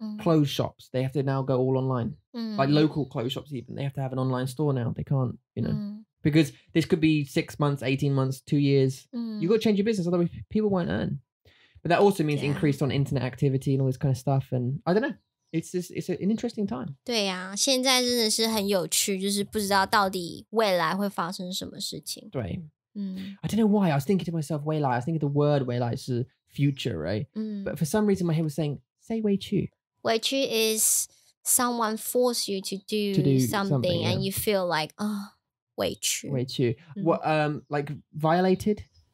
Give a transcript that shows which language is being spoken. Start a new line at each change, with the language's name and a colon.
English: Clothes shops, they have to now go all online. Like local clothes shops even, they have to have an online store now. They can't, you know. Because this could be 6 months, 18 months, 2 years. You've got to change your business, otherwise people won't earn. But that also means increased on internet activity and all this kind of stuff. And I don't know. It's an interesting time.
Chinese: 对啊，现在真的是很有趣，就是不知道到底未来会发生什么事情。对，嗯。
English: I don't know why, I was thinking to myself, 未来, I was thinking the word
Chinese: 未来是
English: future, right? 嗯。 But for some reason, my head was saying, say 未去。未去 is someone force you to do something, yeah. And you feel like, oh, 未去。未去。What, like violated?